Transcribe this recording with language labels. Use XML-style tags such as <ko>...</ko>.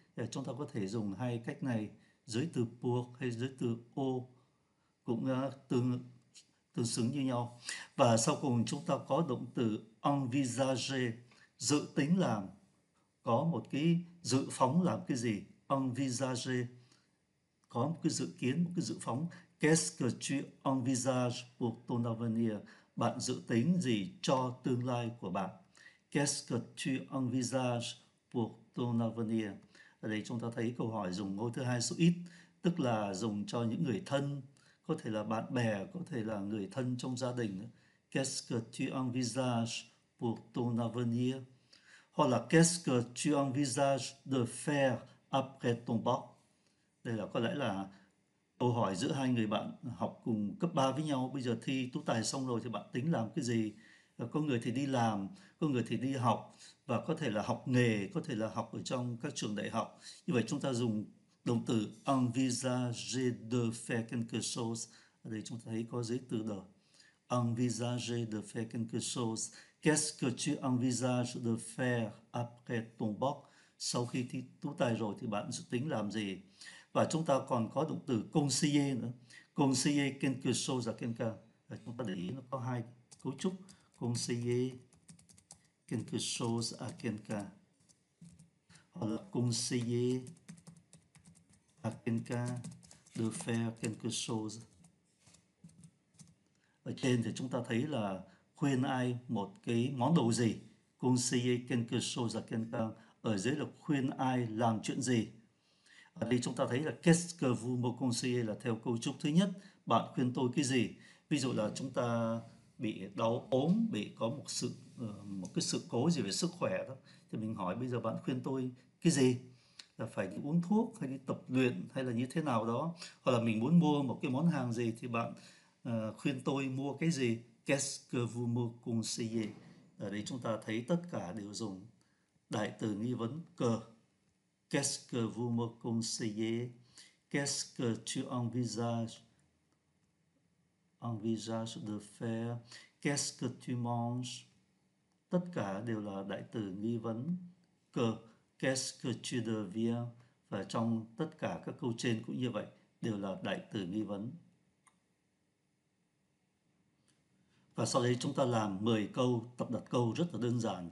<vi>Thì chúng ta có thể dùng hai cách này, giới từ pour hay giới từ au, cũng tương xứng như nhau. Và sau cùng chúng ta có động từ envisager, dự tính làm, có một cái dự phóng làm cái gì, envisager, có một cái dự kiến, một cái dự phóng.</vi> <fr>Qu'est-ce que tu envisages pour ton avenir?</fr> <vi>Bạn dự tính gì cho tương lai của bạn?</vi> <fr>Qu'est-ce que tu envisages pour ton avenir?</fr> <vi>Ở đây chúng ta thấy câu hỏi dùng ngôi thứ hai số ít, tức là dùng cho những người thân, có thể là bạn bè, có thể là người thân trong gia đình.</vi> <fr>Qu'est-ce que tu envisages pour ton avenir?</fr> <vi>Hoặc là</vi> <fr>qu'est-ce que tu envisages de faire après ton bac?</fr> <vi>Đây là có lẽ là câu hỏi giữa hai người bạn học cùng cấp 3 với nhau. Bây giờ thi tú tài xong rồi thì bạn tính làm cái gì? Có người thì đi làm, có người thì đi học, và có thể là học nghề, có thể là học ở trong các trường đại học. Như vậy chúng ta dùng động từ</vi> <fr>envisager de faire quelque chose.</fr> <vi>Ở đây chúng ta thấy có giới từ de.</vi> <fr>Envisager de faire quelque chose. Qu'est-ce que tu envisages de faire après ton bac?</fr> <vi>Sau khi thi tú tài rồi thì bạn dự tính làm gì? Và chúng ta còn có động từ conseiller nữa.</vi> <fr>Conseiller quelque chose à quelqu'un.</fr> <vi>Chúng ta để ý nó có hai cấu trúc.</vi> <fr>Conseiller quelque chose à quelqu'un.</fr> <vi>Hoặc là</vi> <fr>conseiller à quelqu'un de faire quelque chose.</fr> <vi>Ở trên thì chúng ta thấy là khuyên ai một cái món đồ gì.</vi> <fr>Conseiller quelque chose à quelqu'un.</fr> <vi>Ở dưới là khuyên ai làm chuyện gì. Ở đây chúng ta thấy là</vi> <fr>qu'est-ce que vous me conseillez</fr> <vi>là theo cấu trúc thứ nhất, bạn khuyên tôi cái gì. Ví dụ là chúng ta bị đau ốm, bị có một cái sự cố gì về sức khỏe đó, thì mình hỏi bây giờ bạn khuyên tôi cái gì, là phải đi uống thuốc hay đi tập luyện hay là như thế nào đó, hoặc là mình muốn mua một cái món hàng gì thì bạn khuyên tôi mua cái gì.</vi> <fr>Qu'est-ce que vous me conseillez.</fr> <vi>Ở đây chúng ta thấy tất cả đều dùng đại từ nghi vấn cơ.</vi> <fr>Qu'est-ce que vous me conseillez? Qu'est-ce que tu envisages de faire? Qu'est-ce que tu manges?</fr> <vi>Tất cả đều là đại từ nghi vấn cơ.</vi> <fr>Qu'est-ce que tu deviens?</fr> <vi>Và trong tất cả các câu trên cũng như vậy, đều là đại từ nghi vấn. Và sau đây chúng ta làm 10 câu tập đặt câu rất là đơn giản.</vi>